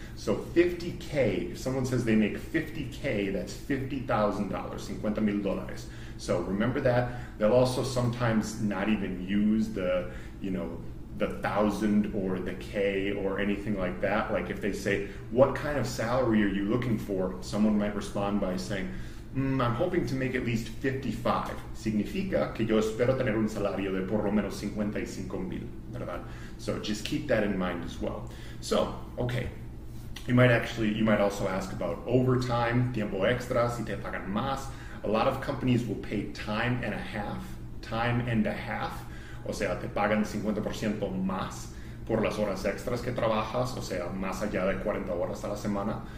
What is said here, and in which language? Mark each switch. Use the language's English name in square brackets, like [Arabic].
[English] So 50K, if someone says they make 50K, that's $50,000, [Spanish] 50 mil dólares. [English] So remember that. They'll also sometimes not even use the thousand or the K or anything like that. Like if they say, what kind of salary are you looking for? Someone might respond by saying, I'm hoping to make at least 55. [Spanish] Significa que yo espero tener un salario de por lo menos 55 mil, ¿verdad? [English] So just keep that in mind as well. So, okay, you might also ask about overtime, [Spanish] tiempo extra, si te pagan más. [English] A lot of companies will pay time and a half. [Spanish] O sea, te pagan 50% más por las horas extras que trabajas, o sea, más allá de 40 horas a la semana.